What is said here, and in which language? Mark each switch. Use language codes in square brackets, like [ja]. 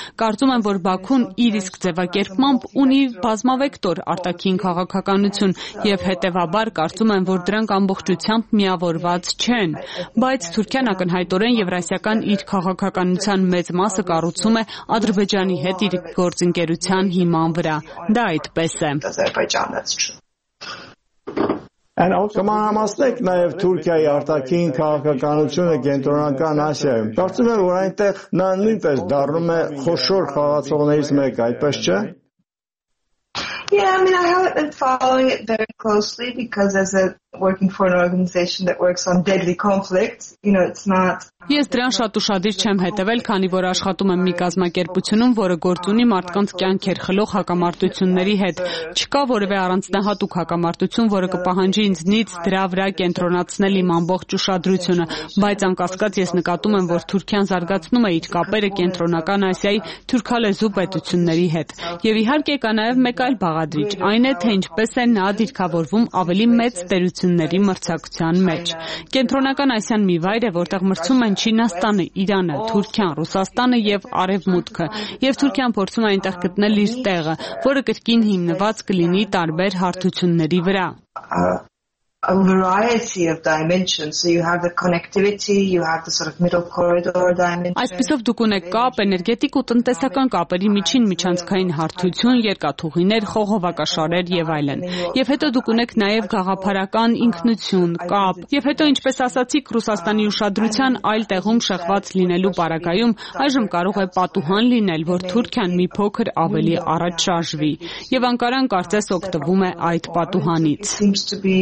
[hy] Կարծում եմ, որ Բաքուն իր իսկ ձևակերպմամբ ունի բազմավեկտոր արտաքին քաղաքականություն, և հետևաբար կարծում եմ, որ դրանք ամբողջությամբ միավորված չեն, բայց Թուրքիան ակնհայտորեն եվրասիական իր քաղաքականության մեծ մասը կառուցում է Ադրբեջանի հետ իր գործընկերության հիման վրա։ Դա այդպես է։ [en] And also [hy] համաձայնեք նաև Թուրքիայի արտաքին քաղաքականությունը Կենտրոնական Ասիայում։ Կարծում եմ, որ այնտեղ նա նույնպես դառնում է խոշոր խաղացողներից մեկը, այդպես չէ։ [en] Yeah, I mean, I haven't been following it very closely because as a working for an organization that works on deadly conflicts, you know, it's not. [hy] Ես դրան շատ ուշադիր չեմ հետևել, քանի որ աշխատում եմ մի կազմակերպությունում, որը գործունի մարդկանց կյանքեր խլող հակամարտությունների հետ։ Չկա որևէ առանձնահատուկ հակամարտություն, որը կպահանջի ինձնից դրա վրա կենտրոնացնել իմ ամբողջ ուշադրությունը, բայց անկասկած ես նկատում եմ, որ Թուրքիան զարգացնում է իր կապերը Կենտրոնական Ասիայի թուրքալեզու պետությունների հետ։ Եվ իհարկե կա նաև մեկ այլ բաղադրիչ, այն է, թե ինչպես է նա դիրքավորվում ավելի մեծ տերությունների մրցակցության մեջ։ Կենտրոնական Ասիան մի վայր է, որտեղ մրցում Չինաստանը, Իրանը, Թուրքիան, Ռուսաստանը և Արևմուտքը, և Թուրքիան փորձում է այնտեղ գտնել իր տեղը, որը կրկին հիմնված կլինի տարբեր հարթությունների վրա։ [en] a variety of dimensions. So you have the connectivity, you have the sort of middle corridor dimension. [hy] Այսպիսով դուք ունեք կապ, էներգետիկ ու տնտեսական կապերի միջին միջանցքային հարթություն, երկաթուղիներ, խողովակաշարեր եւ այլն։ Եվ հետո դուք ունեք նաեւ գաղափարական ինքնություն, կապ։ Եվ հետո, ինչպես ասացիք, Ռուսաստանի ուշադրության այլ տեղում շեղված լինելու պարագայում այժմ կարող է պատուհան լինել, որ Թուրքիան մի փոքր ավելի առաջ շարժվի, եւ Անկարան կարծես օգտվում է այդ պատուհանից։